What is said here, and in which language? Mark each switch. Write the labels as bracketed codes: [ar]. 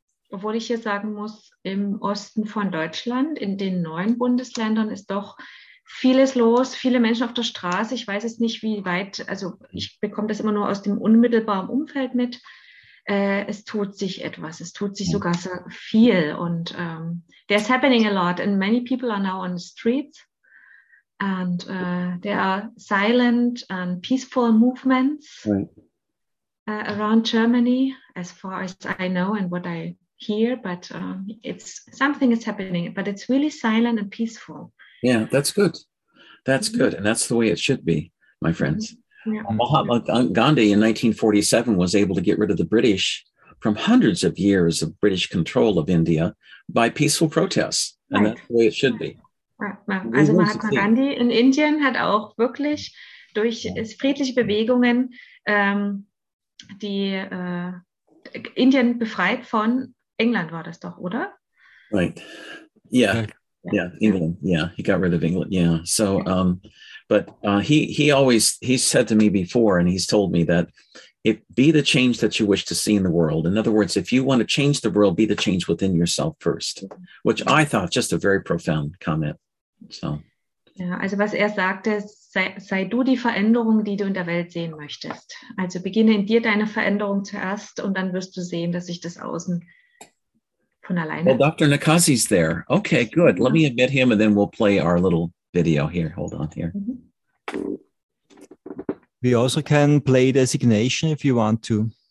[de] Obwohl ich hier sagen muss, im Osten von Deutschland, in den neuen Bundesländern ist doch vieles los, viele Menschen auf der Straße. Ich weiß es nicht, wie weit, also ich bekomme das immer nur aus dem unmittelbaren Umfeld mit. Es tut sich etwas, es tut sich sogar sehr viel. [en] Und there's happening a lot and many people are now on the streets. And there are silent and peaceful movements around Germany, as far as I know and what I hear. But it's something is happening, but it's really silent and peaceful. Yeah, that's good. That's mm-hmm. good. And that's the way it should be, my friends. Mm-hmm. Yeah. Mahatma Gandhi in 1947 was able to get rid of the British from hundreds of years of British control of India by peaceful protests. Right. And that's the way it should be. [de] Also Mahatma Gandhi in Indien hat auch wirklich durch friedliche Bewegungen Indien befreit von England, war das doch, oder? [en] Right. Yeah. Yeah, England. Yeah, he got rid of England. Yeah. So, he said to me before, and he's told me that it be the change that you wish to see in the world. In other words, if you want to change the world, be the change within yourself first, which I thought just a very profound comment. So, [de] yeah, also was sagte, sei du die Veränderung, die du in der Welt sehen möchtest. Also beginne in dir deine Veränderung zuerst, und dann wirst du sehen, dass sich das außen von alleine. [en] Well, Dr. Nakazi's there. Okay, good. Let me admit him, and then we'll play our little video here. Hold on here. Mm-hmm. We also can play designation if you want to.